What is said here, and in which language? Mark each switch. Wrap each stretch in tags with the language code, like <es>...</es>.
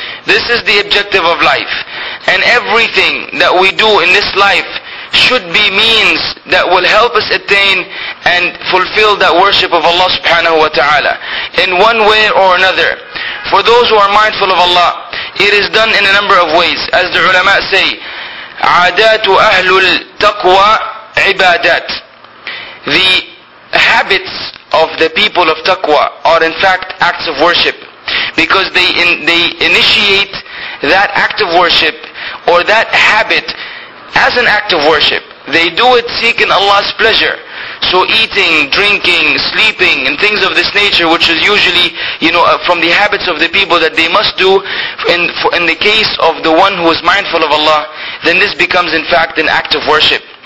<en>This is the objective of life. And everything that we do in this life should be means that will help us attain and fulfill that worship of Allah subhanahu wa ta'ala in one way or another. For those who are mindful of Allah, it is done in a number of ways. As the ulama say,</en> <ar>عادات أهل التقوى عبادات.</ar> <en>The habits of the people of taqwa are in fact acts of worship, because they initiate that act of worship or that habit as an act of worship. They do it seeking Allah's pleasure. So eating, drinking, sleeping, and things of this nature, which is usually, you know, from the habits of the people that they must do, in the case of the one who is mindful of Allah, then this becomes in fact an act of worship.</en>